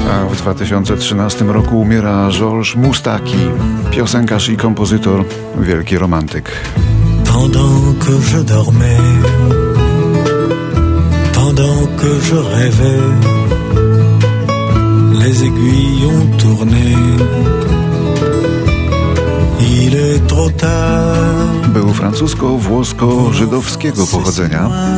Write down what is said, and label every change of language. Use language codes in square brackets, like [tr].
[pl] W 2013 roku umiera Georges Moustaki, piosenkarz i kompozytor, wielki romantyk. [fr] Pendant que je dormais, pendant que je rêvais, les aiguilles ont tourné. Il est trop tard. [pl] Był francusko-włosko-żydowskiego pochodzenia.